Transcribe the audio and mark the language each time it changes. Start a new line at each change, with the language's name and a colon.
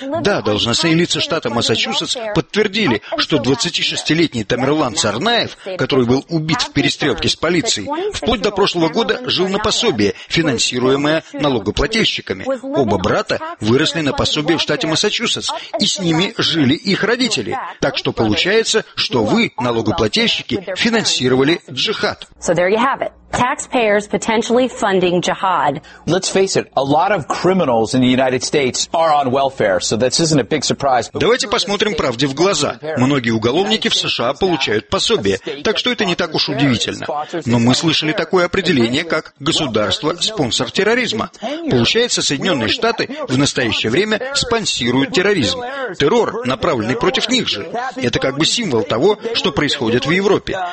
Russian: Да, должностные лица штата Массачусетс подтвердили, что 26-летний Тамерлан Царнаев, который был убит в перестрелке с полицией, вплоть до прошлого года жил на пособие, финансируемое налогоплательщиками. Оба брата выросли на пособие в штате Массачусетс, и с ними жили их родители. Так что получается, что вы, налогоплательщики, финансировали джихад.
English: Taxpayers potentially funding jihad. Let's face it, a lot of criminals in the United States are on welfare, so this isn't a big surprise.
Russian: Давайте посмотрим правде в глаза. Многие уголовники в США получают пособие, так что это не так уж удивительно. Но мы слышали такое определение, как государство-спонсор терроризма. Получается, Соединенные Штаты в настоящее время спонсируют терроризм. Террор, направленный против них же. Это как бы символ того, что происходит в Европе.